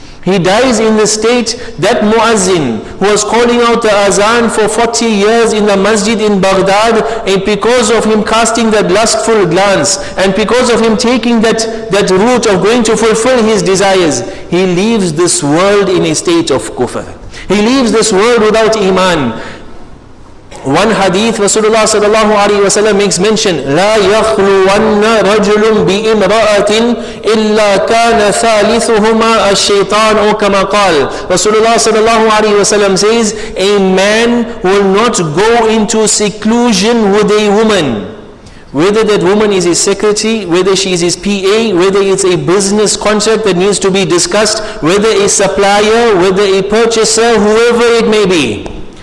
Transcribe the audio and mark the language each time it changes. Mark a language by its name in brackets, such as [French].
[English] He dies in the state that Muazzin, who was calling out the Azan for 40 years in the Masjid in Baghdad, and because of him casting that lustful glance, and because of him taking that route of going to fulfill his desires, he leaves this world in a state of kufr. He leaves this world without iman. One hadith, Rasulullah sallallahu alaihi wasallam makes mention: [Arabic] لا يخلوان رجل بامرأة إلا كان ثالثهما الشيطان أو كما قال. [English] Rasulullah sallallahu alaihi wasallam says, a man will not go into seclusion with a woman, whether that woman is his secretary, whether she is his PA, whether it's a business contract that needs to be discussed, whether a supplier, whether a purchaser, whoever it may be.